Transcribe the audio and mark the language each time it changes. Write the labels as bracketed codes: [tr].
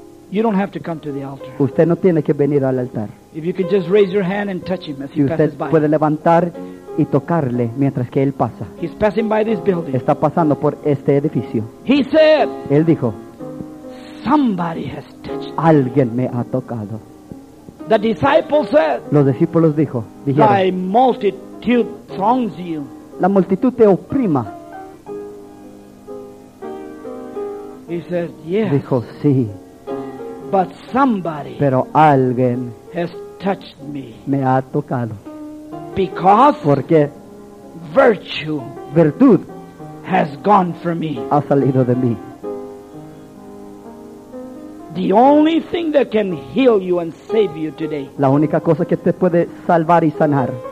[en] you don't have to come to the altar. [es] Usted no tiene que venir al altar. [en] If you can just raise your hand and touch him as he [es] usted [en] passes by. [es] Puede levantar y tocarle mientras que él pasa. [en] He's passing by this building. [es] Está pasando por este edificio. [en] He said, [es] él dijo, [en] somebody has touched. [es] Alguien me ha tocado. [en] The disciples said, [es] los discípulos dijeron, [en] thy multitude throngs you. [es] La multitud te oprima. [en] He said, yes. [es] Dijo, sí. [en] But somebody, [es] pero alguien, [en] has touched me. [es] Me ha tocado. [en] Because, [es] porque, [en] virtue, [es] virtud, [en] has gone from me. [es] Ha salido de mí. [en] The only thing that can heal you and save you today, [es] la única cosa que te puede salvar y sanar,